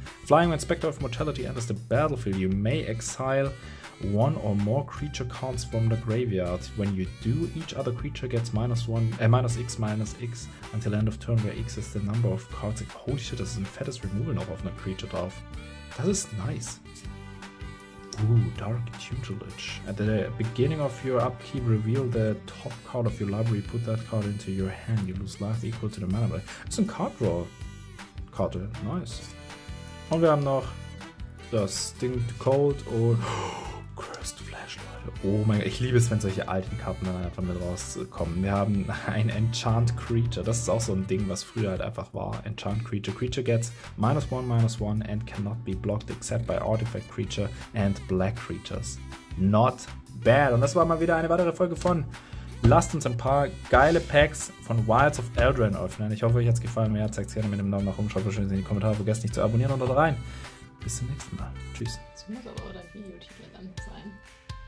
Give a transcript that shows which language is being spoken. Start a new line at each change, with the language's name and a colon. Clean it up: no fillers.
English: Flying when Specter of Mortality enters the battlefield, you may exile one or more creature cards from the graveyard. When you do, each other creature gets minus x until end of turn, where x is the number of cards. Holy shit,
German: das ist ein fettes Removal noch auf einer Creature drauf. Das ist nice. Dark Tutelage.
English: At the beginning of your upkeep, reveal the top card of your library, put that card into your hand, you lose life equal to the mana.
German: Das ist ein Card Draw Karte. Nice. Und wir haben noch das Ding to Cold und Cursed Flesh. magisch, Leute. Oh mein Gott, ich liebe es, wenn solche alten Karten dann einfach mit rauskommen. Wir haben ein Enchant Creature. Das ist auch so ein Ding, was früher halt einfach war.
English: Enchant Creature. Creature gets -1/-1 and cannot be blocked except by artifact creature and black creatures. Not bad.
German: Und das war mal wieder eine weitere Folge von Lasst uns ein paar geile Packs von Wilds of Eldraine öffnen. Ich hoffe, euch hat es gefallen. Wenn ja, zeigt es gerne mit einem Daumen nach oben. Schreibt wahrscheinlich in die Kommentare. Vergesst nicht zu abonnieren und da rein. Bis zum nächsten Mal. Tschüss. Das muss aber auch dein Videotitel dann sein.